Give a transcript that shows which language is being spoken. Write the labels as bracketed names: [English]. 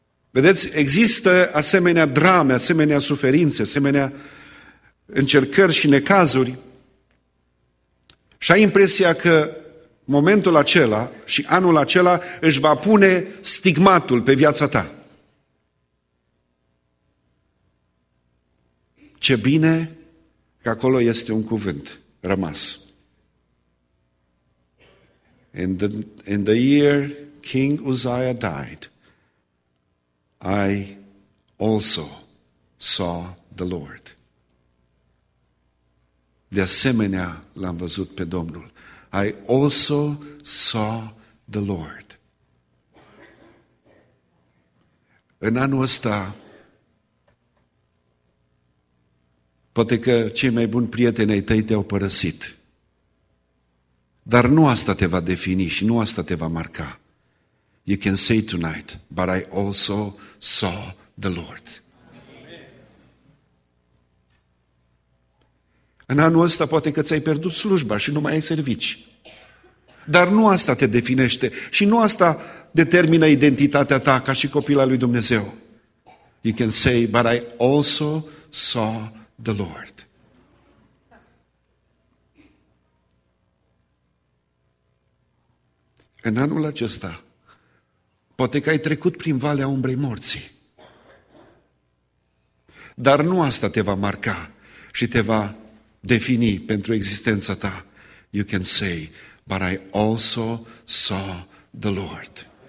[Romanian] Vedeți, există asemenea drame, asemenea suferințe, asemenea încercări și necazuri și ai impresia că momentul acela și anul acela își va pune stigmatul pe viața ta. Ce bine că acolo este un cuvânt rămas. [English] In the year King Uzziah died, I also saw the Lord. [Romanian] De asemenea, l-am văzut pe Domnul. [English] I also saw the Lord. [Romanian] În anul ăsta, poate că cei mai buni prieteni ai tăi te-au părăsit. Dar nu asta te va defini și nu asta te va marca. [English] You can say tonight, but I also saw the Lord. [Romanian] În anul ăsta poate că ți-ai pierdut slujba și nu mai ai servici. Dar nu asta te definește și nu asta determină identitatea ta ca și copil al lui Dumnezeu. [English] You can say, but I also saw the Lord. [Romanian] În anul acesta, poate că ai trecut prin valea umbrei morții. Dar nu asta te va marca și te va defini pentru existența ta. [English] You can say, but I also saw the Lord.